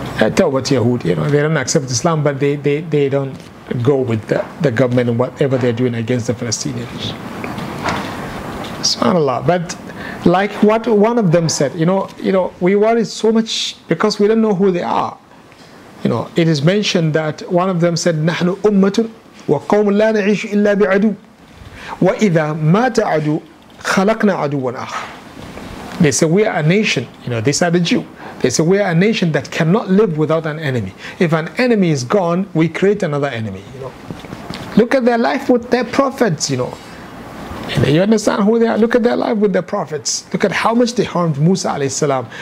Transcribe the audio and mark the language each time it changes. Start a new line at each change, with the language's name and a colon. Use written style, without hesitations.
English: Tawbah Yahud, you know, they don't accept Islam, but they don't go with the government and whatever they're doing against the Palestinians. SubhanAllah. But like what one of them said, you know, we worry so much because we don't know who they are. You know, it is mentioned that one of them said,
Arabic: Nahnu Ummatun وقوم لا نعيش إلا بعدو وإذا مات عدو خلقنا عدوا آخر.
English: They say we are a nation, you know, these are the Jew. They say we are a nation that cannot live without an enemy. If an enemy is gone, we create another enemy, you know. Look at their life with their prophets, you know. You understand who they are? Look at their life with their prophets. Look at how much they harmed Musa alayhi salam.